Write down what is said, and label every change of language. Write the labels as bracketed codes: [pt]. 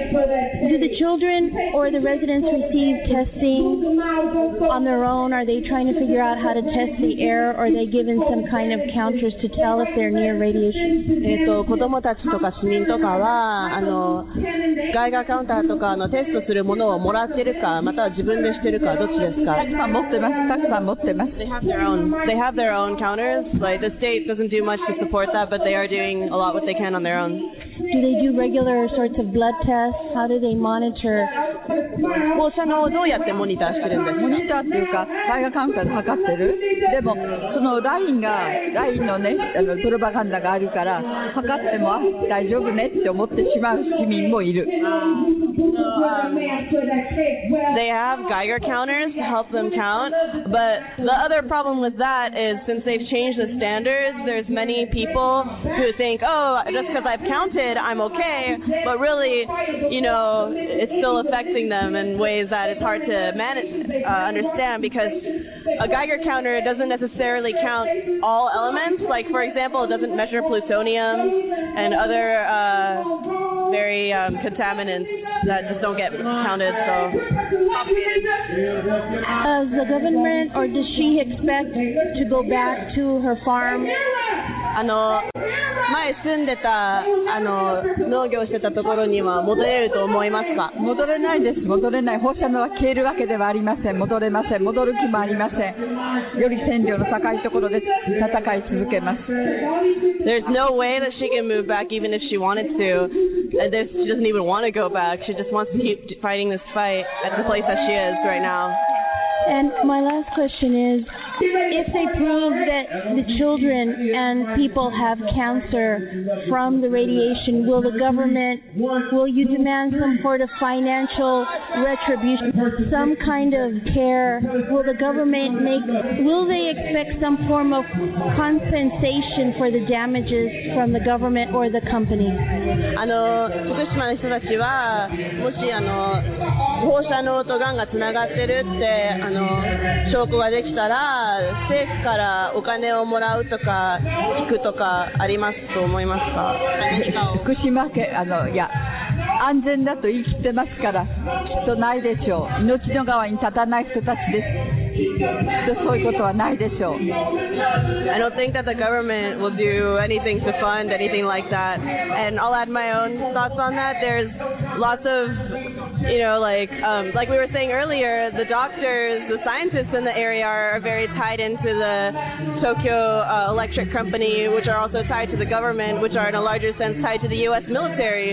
[en] The residents receive testing on their own? Are they trying to figure out how to test the air? Or are they given some kind of counters to tell if they're near radiation? [ja] 子どもたちとか市民とかは、ガイガーカウンターとかのテストするものをもらってるか、または自分でしてるか、どっちですか？たくさん持ってます。 [en] They have their own counters. Like, the state doesn't do much to support that, but they are doing a lot what they can on their own. Do they do regular sorts of blood tests? How do they monitor? [ja] 放射能をどうやってモニターしてるんですか？モニターっていうか、外科カウンターで測ってる。でも、そのラインのね、プロパガンダがあるから、測っても大丈夫ねって思ってしまう市民もいる。 [en] They have Geiger counters to help them count, but the other problem with that is since they've changed the standards, there's many people who think, oh, just because I've counted, I'm okay, but really, you know, it's still affecting them in ways that it's hard to manage, understand, because a Geiger counter doesn't necessarily count all elements. Like, for example, it doesn't measure plutonium and other very contaminants that just don't get counted. So, does the government or does she expect to go back to her farm? [ja] 前住んでた農業してたところには戻れると思いますか？戻れないです。戻れない。放射能は消えるわけではありません。戻れません。戻る気もありません。より線量の高いところで戦い続けます。 [en] There's no way that she can move back even if she wanted to. And this, she doesn't even want to go back. She just wants to keep fighting this fight at the place that she is right now. And my last question is, if they prove that the children and people have cancer from the radiation, will the government, will you demand some sort of financial retribution, some kind of care? Will the government will they expect some form of compensation for the damages from the government or the company? [ja] 福島の人たちは、もし放射能とがんがつながってるって証拠ができたら、政府からお金をもらうとか聞くとかありますと思いますか？福島県いや安全だと言い切ってますからきっとないでしょう。命の側に立たない人たちです。きっとそういうことはないでしょう。 [en] I don't think that the government will do anything to fund anything like that, and I'll add my own thoughts on that. There's lots of you know, like we were saying earlier, the doctors, the scientists in the area are very tied into the Tokyo Electric Company, which are also tied to the government, which are in a larger sense tied to the U.S. military.